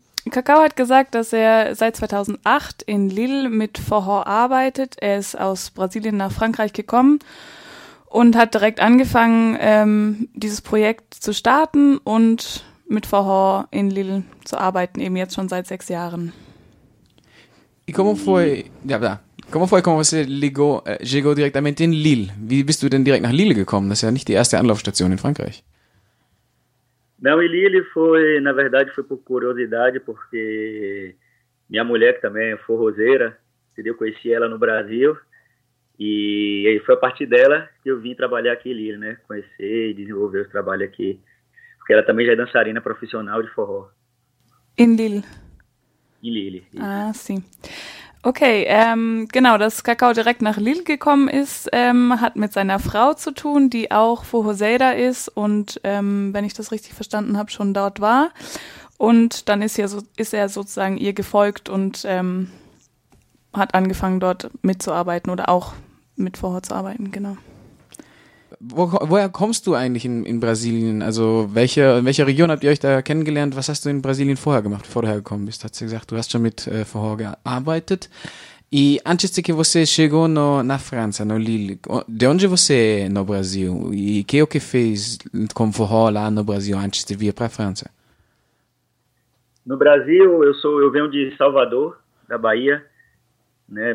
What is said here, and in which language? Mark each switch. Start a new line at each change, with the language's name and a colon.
German: Kakao hat gesagt, dass er seit 2008 in Lille mit Forró arbeitet. Er ist aus Brasilien nach Frankreich gekommen und hat direkt angefangen, dieses Projekt zu starten und mit Forró in Lille zu arbeiten, eben jetzt schon seit 6 Jahren.
Portuguese: E como foi, como foi, como você ligou, chegou diretamente em Lille?
German: Wie bist du denn direkt nach Lille gekommen? Das ist ja nicht die erste Anlaufstation in Frankreich.
Portuguese: Não, e Lille foi, na verdade, foi por curiosidade, porque minha mulher, que também é forrozeira, eu conheci ela no Brasil, e aí foi a partir dela que eu vim trabalhar aqui em Lille, né? Conhecer e desenvolver o trabalho aqui. Porque ela também já é dançarina profissional de forró.
German: In Lille.
Portuguese: Em Lille, isso. Ah, sim.
German: Okay, genau, dass Kakao direkt nach Lille gekommen ist, hat mit seiner Frau zu tun, die auch Forrozeira ist und, wenn ich das richtig verstanden habe, schon dort war. Und dann ist er sozusagen ihr gefolgt und hat angefangen, dort mitzuarbeiten oder auch mit Forró zu arbeiten, genau. Woher kommst du eigentlich in Brasilien? Also welche Region habt ihr euch da kennengelernt? Was hast du in Brasilien vorher gemacht, bevor du hergekommen bist? Hast du gesagt, du hast schon mit vorher gearbeitet.
Portuguese: E antes de que você chegou no, na França, no Lille, de onde você é no Brasil? E o que fez com forró lá no Brasil antes de vir para a França? No Brasil, eu venho de Salvador, da Bahia, né?